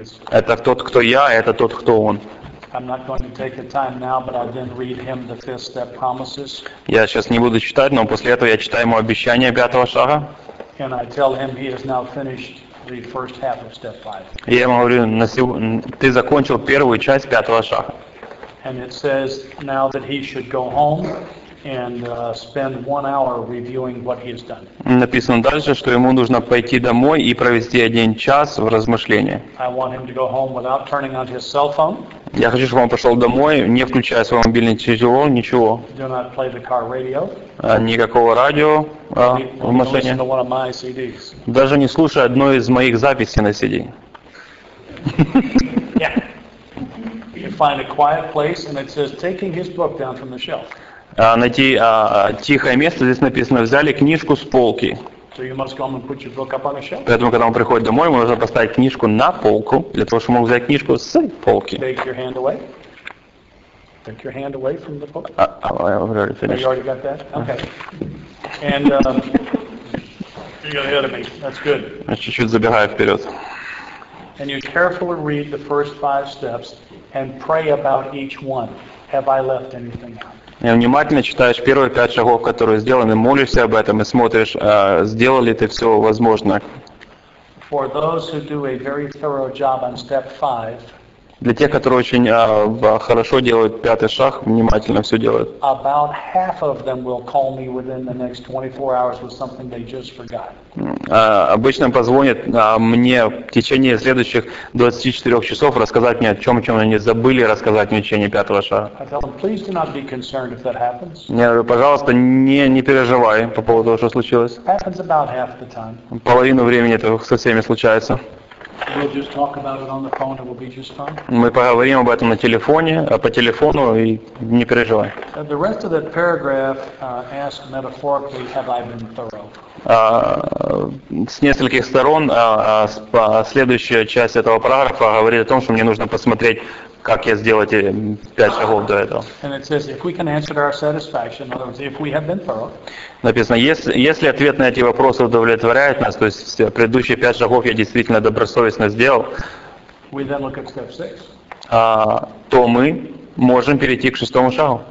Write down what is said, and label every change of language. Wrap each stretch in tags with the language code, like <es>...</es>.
<ru>Это тот, кто я, это тот, кто он.</ru> <en>I'm not going to take the time now, but I then read him the fifth step promises.</en> <ru>Я сейчас не буду читать, но после этого я читаю ему обещание пятого шага.</ru> <en>And I tell him he has now finished the first half of step five.</en> <ru>Я ему говорю, ты закончил первую часть пятого шага.</ru> <en>And it says now that he should go home and spend 1 hour reviewing what he has done.</en> <ru>Написано дальше, что ему нужно пойти домой и провести 1 час в размышлении.</ru> <en>I want him to go home without turning on his cell phone.</en> <ru>Я хочу, чтобы он пошел домой, не включая свой мобильный телефон, ничего.</ru> <en>Do not play the car radio.</en> <ru>Никакого радио в машине.</ru> <en>Don't listen to one of my CDs.</en> <ru>Даже не слушай одной из моих записей на CD.</ru> <en>Yeah. You find a quiet place, and it says taking his book down from the shelf.</en> <ru>Найти тихое место, здесь написано, взяли книжку с полки.</ru> <en>So you must come and put your book up on a shelf.</en> <ru>Поэтому, когда он приходит домой, ему нужно поставить книжку на полку, для того, чтобы он мог взять книжку с полки.</ru> <en>Take your hand away. Take your hand away from the book. I've already finished. Oh, you already got that? Okay. And you're ahead of me. That's good.</en> <ru>Я чуть-чуть забегаю вперед.</ru> <en>And you carefully read the first 5 steps and pray about each one. Have I left anything out?</en> <ru>И внимательно читаешь первые 5 шагов, которые сделаны, молишься об этом и смотришь, сделал ли ты все возможное.</ru> <en>For those who do a very thorough job on step 5,</en> <ru>Для тех, которые очень хорошо делают пятый шаг, внимательно все делают.</ru> <en>About half of them will call me within the next 24 hours with something they just forgot.</en> <ru>Обычно позвонят мне в течение следующих 24 часов рассказать мне о чем они забыли рассказать мне в течение пятого шага.</ru> <en>I tell them, please do not be concerned if that happens.</en> <ru>Я говорю, пожалуйста, не переживай по поводу того, что случилось.</ru> <en>It happens about half the time.</en> <ru>Половину времени это со всеми случается.</ru> <en>We'll just talk about it on the phone, it will be just fine.</en> <ru>Мы поговорим об этом на телефоне, а по телефону и не переживай.</ru> <en>The rest of that paragraph asks metaphorically, have I been thorough?</en> <ru>С нескольких сторон следующая часть этого параграфа говорит о том, что мне нужно посмотреть, как я сделал эти пять шагов до этого.</ru> <en>And it says, if we can answer to our satisfaction, in other words, if we have been thorough.</en> <ru>Написано, если ответ на эти вопросы удовлетворяет нас, то есть предыдущие пять шагов я действительно добросовестно сделал,</ru> <en>we then look at step six.</en> <ru>То мы можем перейти к шестому шагу.</ru>